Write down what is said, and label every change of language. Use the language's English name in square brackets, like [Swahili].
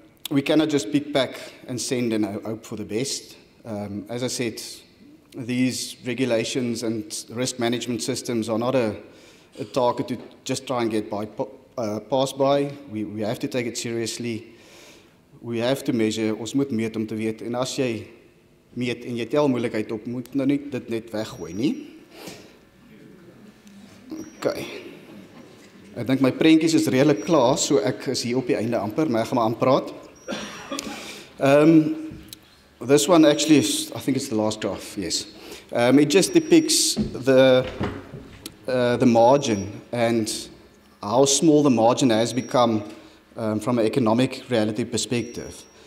[English] We cannot just pick, pack and send and hope for the best. As I said, these regulations and risk management systems are not a target to just try and get by, passed by. We have to take it seriously. We have to measure. [Afrikaans] Ons moet meet om te weet. En as jy meet en jy tel moeilikheid op, moet nou nie dit net weggooi nie. Okay. Ek dink my prentjies is redelik klaar, so ek is hier op die einde amper, maar ek gaan maar aanpraat. [English] This one actually is, I think it's the last graph, yes. It just depicts the margin and how small the margin has become from an economic reality perspective.